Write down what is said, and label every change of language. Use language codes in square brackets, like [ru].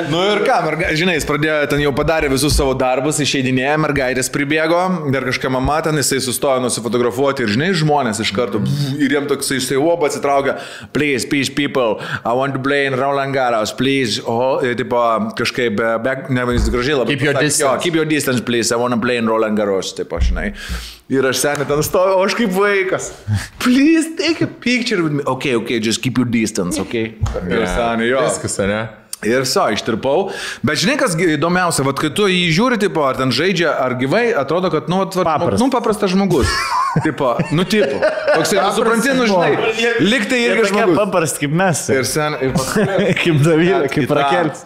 [lt] Nu ir ką, žinai, jis pradėjo, ten jau padarė visus savo darbus, išeidinėjo, mergaitės pribėgo, dar kažką mama ten, jisai sustojo nusifotografuoti ir, žinai, žmonės iš karto, ir jiems toksai jisai uopą atsitraukė, [en] please, peace people, I want to play in Roland Garros, [lt] please, tipo, kažkaip, ne, jis gražiai labai, [en] keep your distance, please, I want to play in Roland Garros, [lt] tipo, žinai. Ir aš senė ten stovėjau, o aš kaip vaikas. [en] Please, take a picture with me. Okay, just keep your distance, okay? [lt] Ir senė, jo. Viskas, ane? Ir so, ištirpau. Bet žinai, kas įdomiausia, vat, kai tu jį žiūri, tipo, ar ten žaidžia, ar gyvai, atrodo, kad, nu, paprastas žmogus. Tipo, nu, tipo. Toksai, tu supranti, nu, žinai, lyg tai irgi žmogus. Jie tokia paprasti, kaip mes. Ir sen, kaip Davylė, kaip Rakelis.